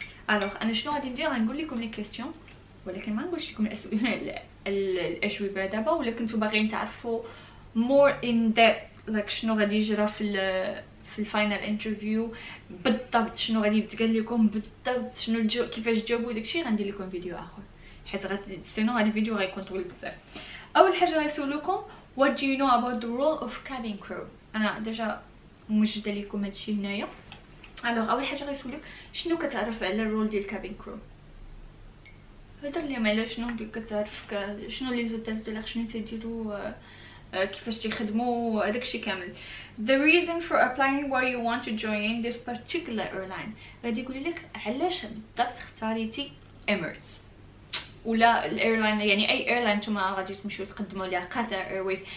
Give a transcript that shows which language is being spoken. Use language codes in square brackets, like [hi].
[ar] الوغ انا شنو غادي ندير، غنقول لكم [fr] لي كيسيون [ar] ولكن ما نقولش لكم الاجوبه دابا، ولا كنتو باغيين تعرفوا [en] more in depth [ar] شنو غادي يجرى في [en] الفاينل انترفيو [ar] بالضبط، شنو غادي يتقال لكم بالضبط، شنو كيفاش تجاوبوا داكشي، غندير لكم فيديو اخر حيت سينو هذا الفيديو غيكون طويل بزاف. اول حاجه غنسولكم [en] what do you know about the role of cabin crew، [ar] انا ديجا موجده لكم هادشي هنايا. الوغ اول حاجه غيسولك شنو كتعرف على الرول ديال كابين كرو، هضر لي على شنو كتعرف، شنو [fr] لي زوتاز [ar] ديال شنو تديرو، كيفاش تخدموا، داكشي كامل. [en] The reason for applying why you want to join this particular airline، [ar] غادي يقول لك علاش بالضبط اختاريتي emirates ولا الايرلاين، يعني اي ايرلاين نتوما غادي تمشيو تقدموا ليها، قطر ايرويز.